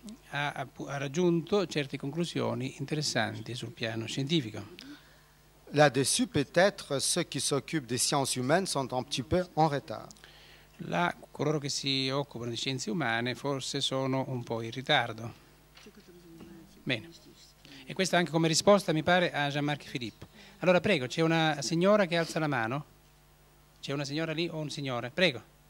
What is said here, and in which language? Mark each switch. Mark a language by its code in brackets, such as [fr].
[it] ha raggiunto certe conclusioni interessanti sul piano scientifico. [fr] Là-dessus, peut-être ceux qui s'occupent des sciences humaines sont un petit peu en retard. [it] Coloro che si occupano di scienze umane forse sono un po' in ritardo. Bene. E questo anche come risposta, mi pare, a Jean-Marc Philippe. Allora, prego, c'è una signora che alza la mano? C'è una signora lì o un signore? Prego.